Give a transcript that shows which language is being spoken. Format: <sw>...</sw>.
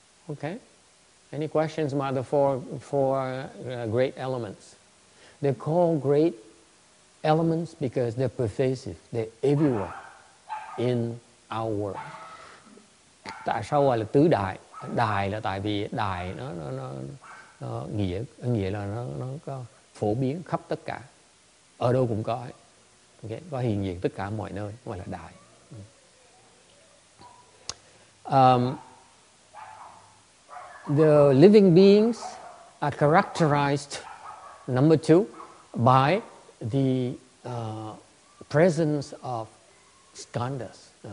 <en>Okay, any questions about the four great elements? They're called great elements because they're pervasive, they're everywhere in our world.</en> <vi>Tại sao gọi là tứ đại? Đại là tại vì đại nó nghĩa là nó có phổ biến khắp tất cả, ở đâu cũng có, okay? Có hiện diện tất cả mọi nơi, gọi là đại.</vi> <en>The living beings are characterized, number two, by the presence of skandhas.</en>